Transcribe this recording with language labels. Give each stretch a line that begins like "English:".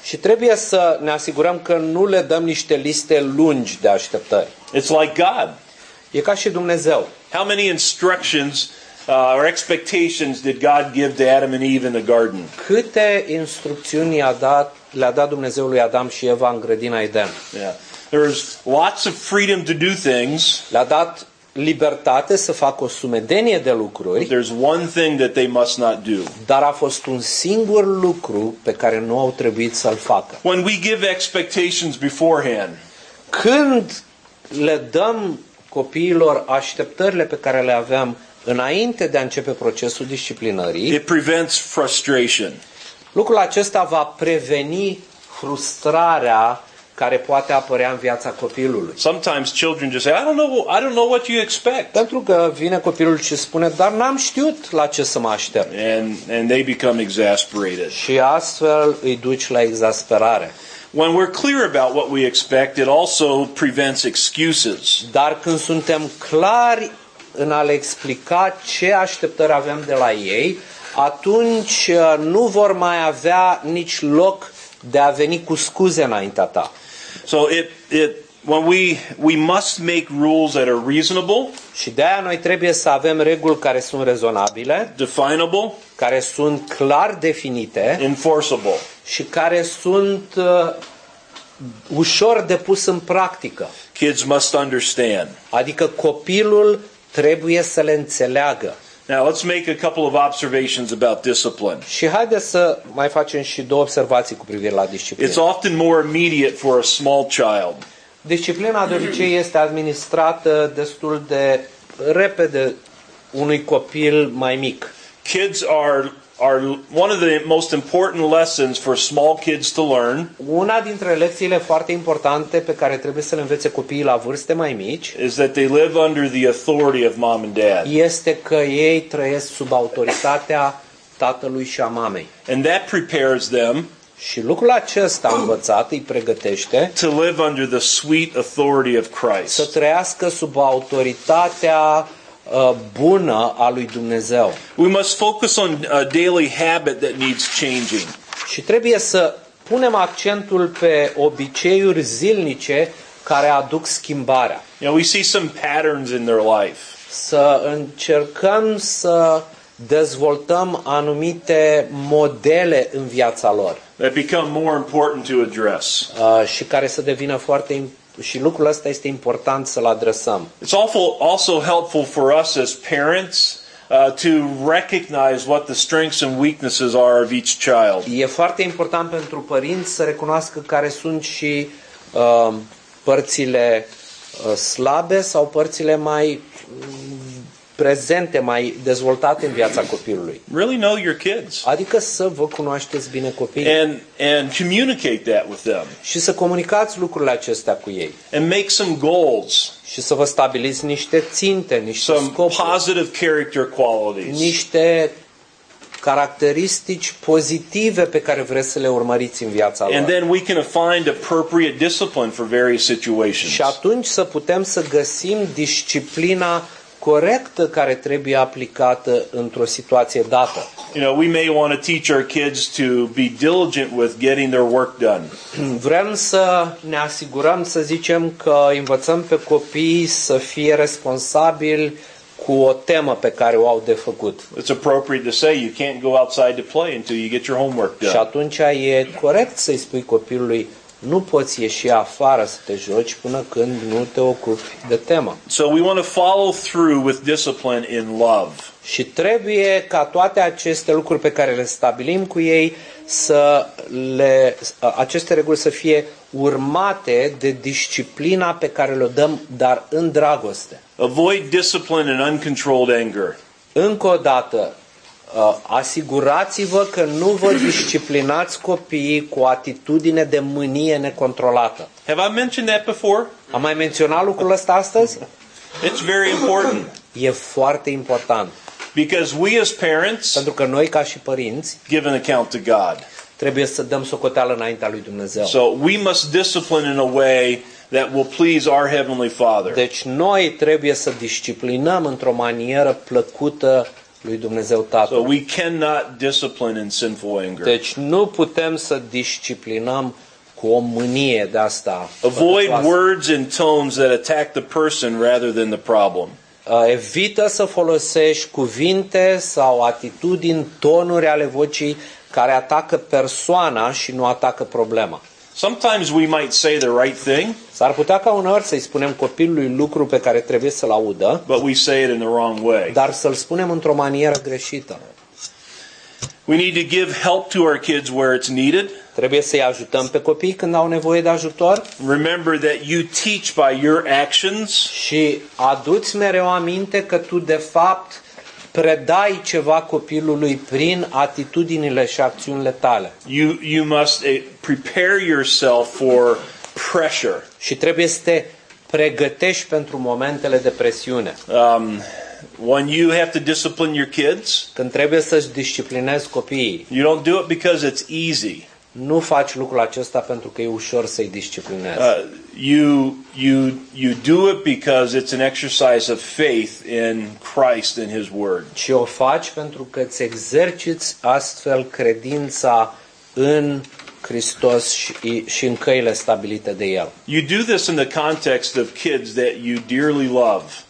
Romanian: Și trebuie să ne asigurăm că nu le dăm niște liste lungi de așteptări.
English: It's like God.
Romanian: E ca și Dumnezeu.
English: How many instructions or expectations did God give to Adam and Eve in the garden?
Romanian: Câte instrucțiuni le-a dat Dumnezeu lui Adam și Eva în grădina Eden?
English: Yeah. There's lots of freedom to do things.
Romanian: Le-a dat libertate să facă o sumedenie de lucruri.
English: There's one thing that they must not do.
Romanian: Dar a fost un singur lucru pe care nu au trebuit să-l facă.
English: When we give expectations beforehand,
Romanian: când le dăm copiilor așteptările pe care le aveam înainte de a începe procesul disciplinării.
English: It prevents frustration.
Romanian: Lucrul acesta va preveni frustrarea care poate apărea în viața copilului.
English: Sometimes children just say, I don't know what you expect.
Romanian: Pentru că vine copilul și spune, dar n-am știut la ce să mă aștept.
English: And they become exasperated.
Romanian: Și astfel îi duci la exasperare.
English: When we're clear about what we expect, it also prevents excuses.
Romanian: Dar când suntem clari în a le explica ce așteptări avem de la ei, atunci nu vor mai avea nici loc de a veni cu scuze înaintea ta.
English: So when we must make rules that are reasonable.
Romanian: Și de aia noi trebuie să avem reguli care sunt rezonabile,
English: definable,
Romanian: care sunt clar definite,
English: enforceable,
Romanian: și care sunt ușor de pus în practică.
English: Kids must understand.
Romanian: Adică copilul trebuie să le înțeleagă.
English: Now let's make a couple of observations about discipline.
Romanian: Și haideți să mai facem și două observații cu privire la disciplină.
English: It's often more immediate for a small child.
Romanian: Disciplina de obicei este administrată destul de repede unui copil mai mic.
English: Kids are one of the most important lessons for small kids to learn.
Romanian: Una dintre lecțiile foarte importante pe care trebuie să le învețe copiii la vârste mai mici
English: is that they live under the authority of mom and dad.
Romanian: Este că ei trăiesc sub autoritatea tatălui și a mamei.
English: And that prepares them.
Romanian: Și lucrul acesta învățat îi pregătește
English: to live under the sweet authority of Christ.
Romanian: Să trăiască sub autoritatea bună a lui Dumnezeu.
English: We must focus on a daily habit that needs changing.
Romanian: Și trebuie să punem accentul pe obiceiuri zilnice care aduc schimbarea.
English: You know, we see some patterns in their life.
Romanian: Să încercăm să dezvoltăm anumite modele în viața lor.
English: That become more important to address.
Romanian: Și care să devină foarte și lucrul ăsta este important să-l adresăm.
English: It's also helpful for us as parents to recognize what the strengths and weaknesses are of each child.
Romanian: E foarte important pentru părinți să recunoască care sunt și părțile slabe sau părțile mai prezente, mai dezvoltate în viața copilului.
English: Really know your kids.
Romanian: Adică să vă cunoașteți bine copiii.
English: And communicate that with them.
Romanian: Și să comunicați lucrurile acestea cu ei.
English: And make some goals.
Romanian: Și să vă stabiliți niște ținte, niște
English: some
Romanian: scopuri.
English: Positive character qualities.
Romanian: Niște caracteristici pozitive pe care vreți să le urmăriți în viața lor.
English: And then we can find appropriate discipline for various situations.
Romanian: Și atunci să putem să găsim disciplina corectă care trebuie aplicată într-o situație dată.
English: You know, we may want to teach our kids to be diligent with getting their work done.
Romanian: Vrem să ne asigurăm, să zicem, că învățăm pe copii să fie responsabili cu o temă pe care o au de făcut.
English: It's appropriate to say you can't go outside to play until you get your homework done.
Romanian: Și atunci e corect să-i spui copilului, nu poți ieși afară să te joci până când nu te ocupi de temă.
English: So we want to follow through with discipline in love.
Romanian: Și trebuie ca toate aceste lucruri pe care le stabilim cu ei să le aceste reguli să fie urmate de disciplina pe care le dăm, dar în dragoste.
English: Avoid discipline and uncontrolled anger.
Romanian: Încă o dată, asigurați-vă că nu vă disciplinați copiii cu atitudine de mânie necontrolată.
English: Have I mentioned that before?
Romanian: Am mai menționat lucrul ăsta astăzi?
English: It's very important.
Romanian: E foarte important.
English: Because we as parents,
Romanian: pentru că noi ca și părinți,
English: give an account to God.
Romanian: Trebuie să dăm socoteală înaintea lui Dumnezeu.
English: So we must discipline in a way that will please our heavenly Father.
Romanian: Deci noi trebuie să disciplinăm într-o manieră plăcută lui Dumnezeu Tatăl.
English: So we cannot discipline in sinful anger.
Romanian: Deci nu putem să disciplinăm cu o mânie de asta.
English: Avoid words and tones that attack the person rather than the problem.
Romanian: Evită să folosești cuvinte sau atitudini, tonuri ale vocii care atacă persoana și nu atacă problema.
English: Sometimes we might say the right thing.
Romanian: S-ar putea ca uneori să-i spunem copilului lucru pe care trebuie să-l audă.
English: But we say it in the wrong way.
Romanian: Dar să-l spunem într-o manieră greșită.
English: We need to give help to our kids where it's needed.
Romanian: Trebuie să-i ajutăm pe copii când au nevoie de ajutor.
English: Remember that you teach by your actions.
Romanian: Și adu-ți mereu aminte că tu de fapt predai ceva copilului prin atitudinile și acțiunile tale.
English: You must prepare yourself for pressure.
Romanian: Și trebuie să te pregătești pentru momentele de presiune.
English: When you have to discipline your kids,
Romanian: când trebuie să-ți disciplinezi copiii,
English: you don't do it because it's easy.
Romanian: Nu faci lucrul acesta pentru că e ușor să-i disciplinezi.
English: You do it because it's an exercise of faith in Christ and His Word.
Romanian: Ci o faci pentru că îți exerciți astfel credința în Hristos și în căile stabilite de El.
English: You do this in the context of kids that you dearly love.